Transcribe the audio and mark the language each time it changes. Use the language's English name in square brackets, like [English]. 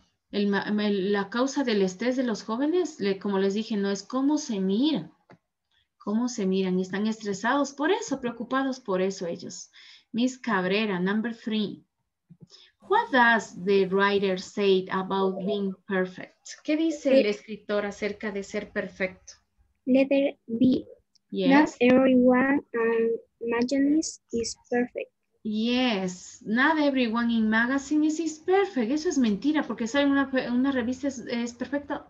[Spanish] La causa del estrés de los jóvenes, como les dije, no es cómo se miran. Cómo se miran. Y están estresados por eso, preocupados por eso ellos. [English] Miss Cabrera, number three. What does the writer say about being perfect? [Spanish] ¿Qué dice el escritor acerca de ser perfecto? [English] Letter B. Yes. Not everyone in magazines is perfect. Yes. Not everyone in magazines is perfect. [Spanish] Eso es mentira, porque ¿saben una revista es perfecta?